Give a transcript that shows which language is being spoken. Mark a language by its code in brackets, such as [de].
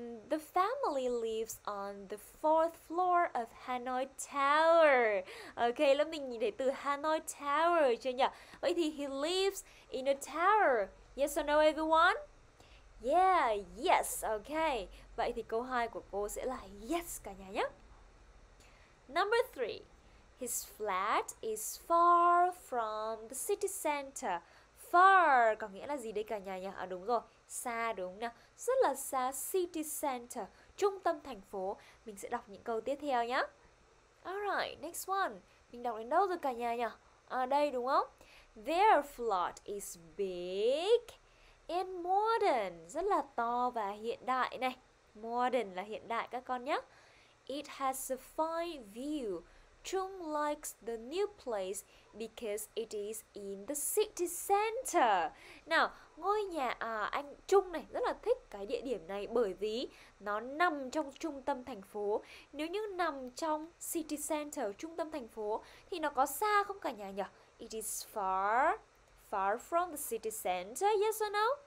[en] The family lives on the fourth floor of Hanoi Tower. [vi] Ok, lớp mình nhìn thấy từ Hanoi Tower chưa nhỉ? Vậy thì [en] he lives in a tower. Yes or no everyone? Yeah, yes, ok. [vi] Vậy thì câu 2 của cô sẽ là yes cả nhà nhé. [en] Number 3. His flat is far from the city center. [vi] Far có nghĩa là gì đây cả nhà nhỉ? À đúng rồi, xa đúng nào. Rất là xa city center, trung tâm thành phố. Mình sẽ đọc những câu tiếp theo nhé. [en] Alright, next one. [vi] Mình đọc đến đâu rồi cả nhà nhỉ? À đây đúng không? [en] Their flat is big and modern. [vi] Rất là to và hiện đại này. Modern là hiện đại các con nhé. [en] It has a fine view. Chung likes the new place because it is in the city center. [vi] Nào, ngôi nhà à, anh Chung này rất là thích cái địa điểm này bởi vì nó nằm trong trung tâm thành phố. Nếu như nằm trong city center, trung tâm thành phố, thì nó có xa không cả nhà nhỉ? [en] It is far, far from the city center, yes or no?